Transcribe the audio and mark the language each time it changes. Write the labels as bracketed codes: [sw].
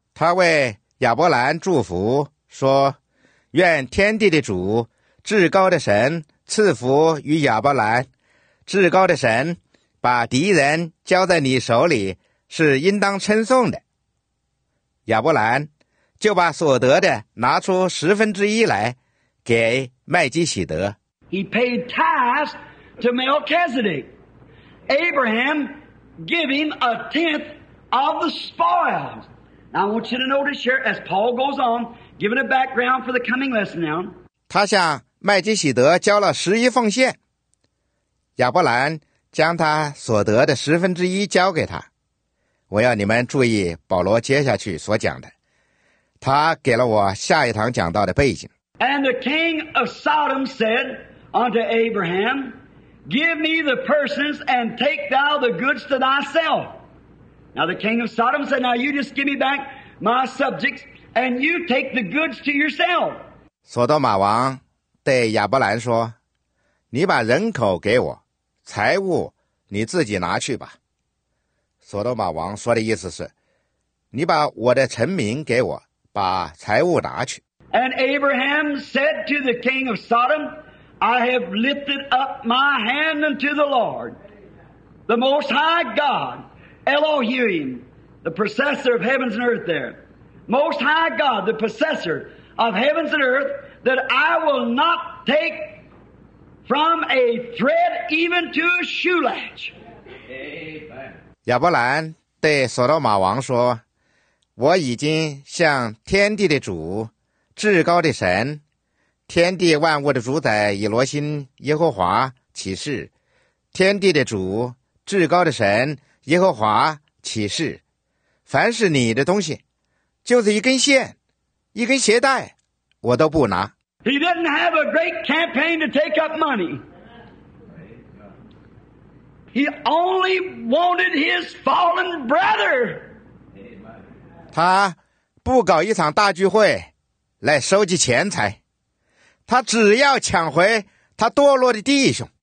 [zh] 他为亚伯兰祝福说，愿天地的主至高的神赐福于亚伯兰，至高的神把敌人交在你手里是应当称颂的。亚伯兰就把所得的拿出十分之一来给麦基洗德。 [en] He paid tithes to Melchizedek. Abraham gave him a tenth of the spoils. Now I want you to notice here as Paul goes on, giving a background for the coming lesson now. [zh] 他向麦基洗德交了十一奉献，亚伯兰将他所得的十分之一交给他。我要你们注意保罗接下去所讲的，他给了我下一堂讲到的背景。 [en] And the king of Sodom said unto Abraham, Give me the persons and take thou the goods to thyself. Now the king of Sodom said, Now you just give me back my subjects and you take the goods to yourself. [zh] 索多玛王对亚伯兰说，你把人口给我，财物你自己拿去吧。索多玛王说的意思是，你把我的臣民给我，把财物拿去。 [en] And Abraham said to the king of Sodom, I have lifted up my hand unto the Lord, the Most High God, Elohim, the possessor of heavens and earth there. Most High God, the possessor of heavens and earth, that I will not take from a thread even to a shoe latch. Amen. [zh] 亚伯兰对索多玛王说，我已经向天地的主至高的神天地万物的主宰以罗辛耶和华起誓，天地的主至高的神耶和华起誓，凡是你的东西，就是一根线一根鞋带我都不拿。 [en] He didn't have a great campaign to take up money. He only wanted his fallen brother. [zh] 他不搞一场大聚会来收集钱财，他只要抢回他堕落的弟兄。